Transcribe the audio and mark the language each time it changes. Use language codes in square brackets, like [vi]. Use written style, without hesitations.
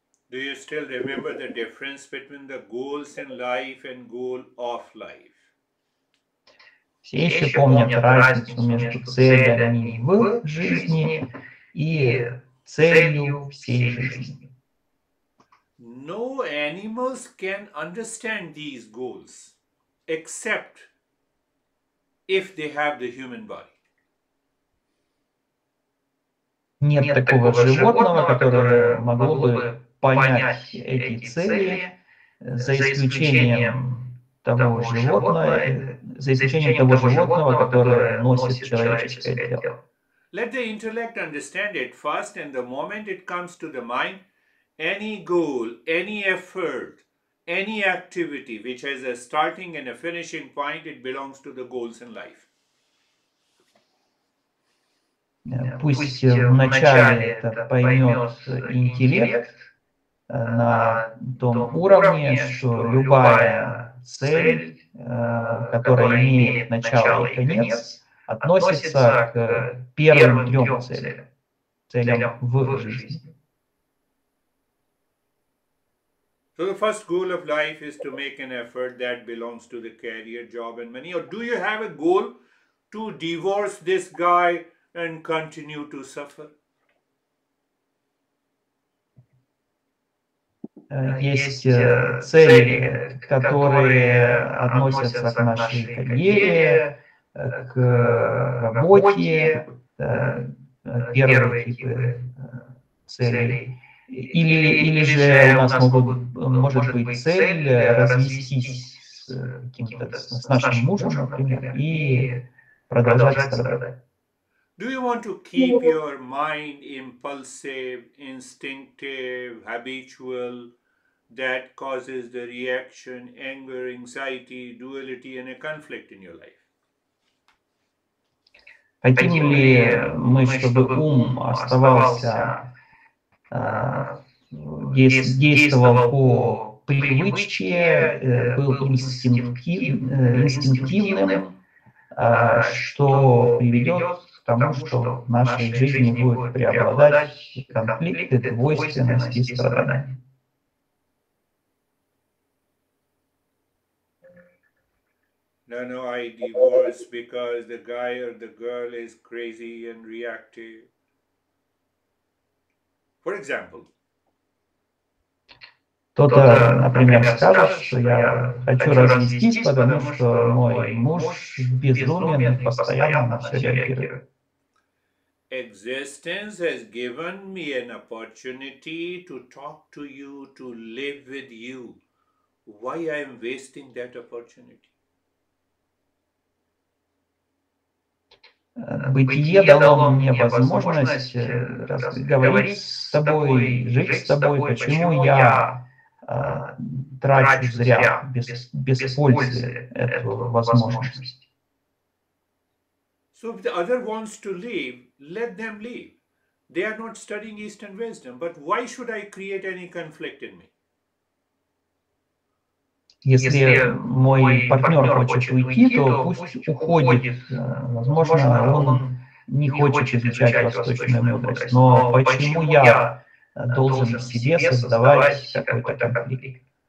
[en] Do you still remember the difference between the goals in life and goal of life? [ru] Все еще помнят разницу между целями в жизни и целью всей жизни. [en] No animals can understand these goals, except if they have the human body. [ru] Нет такого животного, которое могло бы понять эти цели, за исключением того животного, которое носит человеческое тело. [en] Let the intellect understand it first, and the moment it comes to the mind, any goal, any effort, any activity which has a starting and a finishing point, it belongs to the goals in life. [ru] Пусть вначале это поймет интеллект на том уровне, что любая цель, которая имеет начало и конец, относится к первым трем целям, целям в жизни. [en] So the first goal of life is to make an effort that belongs to the career, job and money. Or do you have a goal to divorce this guy and continue to suffer? [ru] Есть цели, которые относятся к нашей карьере, к работе, первые типы целей. Или же у нас может быть цель развестись с каким-то с нашим мужем, например, и продолжать страдать. [en] Do you want to keep your mind impulsive, instinctive, habitual, that causes the reaction, anger, anxiety, duality, and a conflict in your life? [ru] Хотим ли мы, чтобы ум оставался, действовал по привычке, был инстинктивным, что приведет к тому, что в нашей жизни будет преобладать конфликты, двойственность и страдания. [en] No, I divorce because the guy or the girl is crazy and reactive. For example. [ru] Кто-то, например, скажет, что я хочу развестись, потому что мой муж безумен и постоянно на все реагирует. [en] Existence has given me an opportunity to talk to you, to live with you. Why I am wasting that opportunity? [ru] Бытие дало мне возможность говорить с тобой, жить с тобой, почему я трачу зря, без пользы эту возможность. [en] So if the other wants to leave, let them leave. They are not studying Eastern wisdom, but why should I create any conflict in me? [ru] Если мой партнер хочет уйти, то пусть уходит. Возможно, он не хочет изучать восточную мудрость. Но почему я должен себе создавать какой-то конфликт?